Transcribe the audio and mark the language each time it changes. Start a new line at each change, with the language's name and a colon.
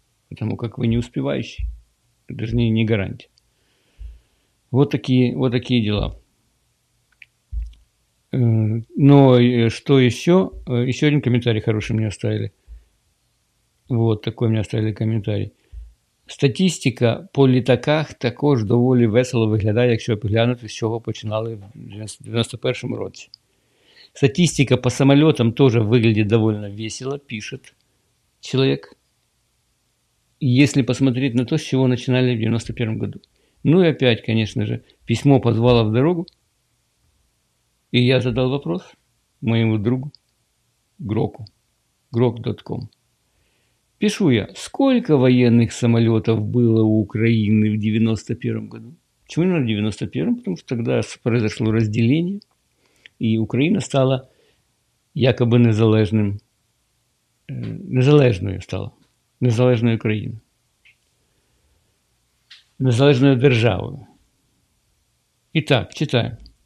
Russian: потому как вы не успевающий. Даже не гарантия. Вот такие дела. Но что еще? Еще один комментарий хороший мне оставили. Вот такой мне оставили комментарий.
Ukrainian: Статистика по літаках також доволі весело виглядає, якщо поглянути, з чого починали в 91-му році.
Russian: Статистика по самолетам
Ukrainian: теж виглядає доволі весело, пише чоловік. Якщо подивитися на те, з чого починали в 91-му році. Ну і опять, звісно ж,
Russian: письмо позвало в дорогу.
Ukrainian: І я задав вопрос моєму другу Гроку.
English: Grok.com.
Russian: Пишу я, сколько военных самолетов было у Украины в 91-м году? Почему именно в 91-м? Потому что тогда произошло разделение, и Украина стала якобы незалежным, незалежной Украиной, незалежной державой. Итак, читаем.